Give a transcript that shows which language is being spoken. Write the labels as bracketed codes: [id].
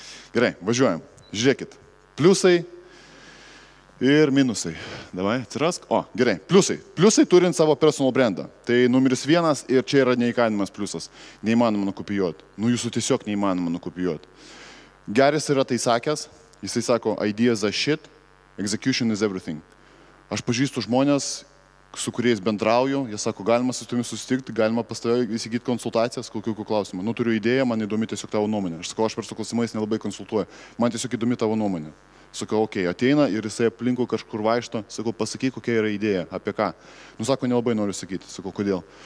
[lt] Gerai, važiuojam. Žiūrėkit, pliusai ir minusai. Davai, atsirask. O, gerai, pliusai. Pliusai turint savo personal brandą. Tai numeris vienas ir čia yra neįkainamas pliusas. Neįmanoma nukopijuoti. Nu, jūsų tiesiog neįmanoma nukopijuoti. Geras yra tai sakęs. Jisai sako, [en] ideas are shit, execution is everything. [lt] Aš pažįstu žmonės, su kuriais bendrauju. Jie sako, galima su tavimi susitikti, galima pas tave įsigyti konsultacijas, kokių klausimų. Nu, turiu idėją, man įdomi tiesiog tavo nuomonė. Aš sakau, aš per su klausimais nelabai konsultuoju. Man tiesiog įdomi tavo nuomonė. Sakau, okei, ateina ir jisai aplinko kažkur vaikšto. Sakau, pasakyk, kokia yra idėja, apie ką. Nu, sako, nelabai noriu sakyti. Sakau, kodėl?